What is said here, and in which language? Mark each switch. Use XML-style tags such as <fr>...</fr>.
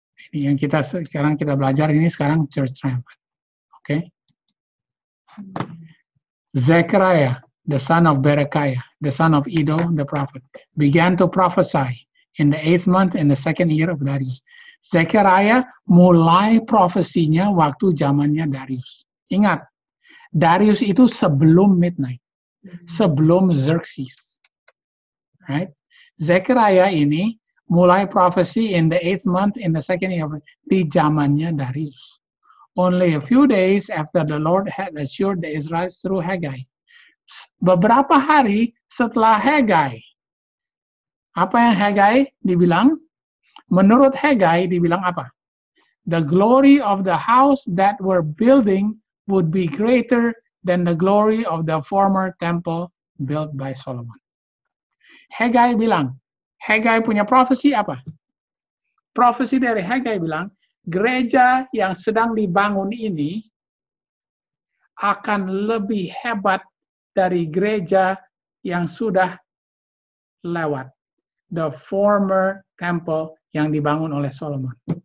<id>Ini yang kita sekarang kita belajar ini sekarang Church Triumphant. Oke. Okay.</id> <en>Zechariah, the son of Berechiah, the son of Iddo, the prophet, began to prophesy in the 8th month in the 2nd year of Darius.</en> <id>Zechariah mulai profesinya waktu zamannya Darius. Ingat, Darius itu sebelum midnight, sebelum Xerxes.</id> <en>Right?</en> <id>Zechariah ini mulai</id> <en>prophecy in the 8th month in the 2nd year</en> <id>di zamannya Darius.</id> <en>Only a few days after the Lord had assured the Israelites through Haggai.</en> <id>Beberapa hari setelah Haggai. Apa yang Haggai dibilang? Menurut Haggai dibilang apa?</id> <en>The glory of the house that we're building would be greater than the glory of the former temple built by Solomon.</en> <id>Haggai bilang, Haggai punya prophecy apa? Prophecy dari Haggai bilang, gereja yang sedang dibangun ini akan lebih hebat dari gereja yang sudah lewat.</id> <en>The former temple</en> <id>yang dibangun oleh Solomon.</id>